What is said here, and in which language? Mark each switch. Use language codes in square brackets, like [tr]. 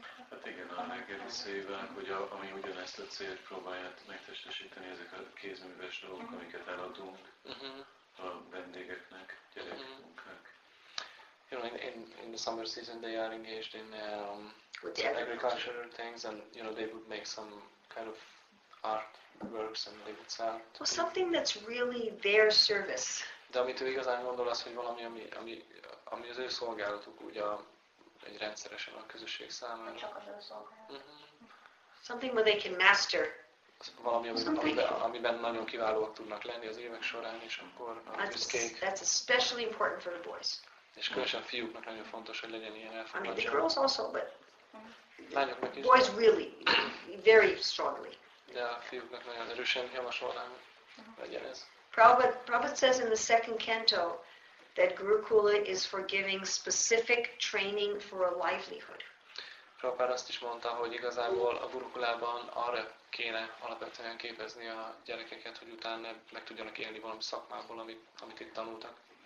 [hu] Hát igen, a reggeli szévák, hogy ami ugyanezt a célt próbálják megtestesíteni, ezek a kézműves dolgok, amiket eladunk a vendégeknek, gyerekmunkák. [en] You know, in the summer season they are engaged in agricultural things, and you know, they would make some kind of art works and they would sell. Well, something that's really their service. [hu] De amit ő igazán gondol, az, hogy valami, ami az ő szolgálatuk, ugye egy rendszeresen a közösség számára. Csak az ő szolgálat. [en] Something where they can master. [hu] Valami, amiben nagyon kiválóak tudnak lenni az évek során, és akkor a büszkék. [en] That's especially important for the boys. [hu] És különösen a fiúknak nagyon fontos, hogy legyen ilyen elfogadás. [en] I mean, the girls also, but [hu] lányoknak is. [en] Boys really, very strongly. [hu] De a fiúknak nagyon erősen javasolnám, legyen ez. [en] Prabhupada says in the second canto that Gurukula is for giving specific training for a livelihood. [hu] Prabhupada azt is mondta, hogy igazából a Gurukulában arra kéne alapvetően képezni a gyerekeket, hogy utána meg tudjanak élni valami szakmából, amit itt tanultak.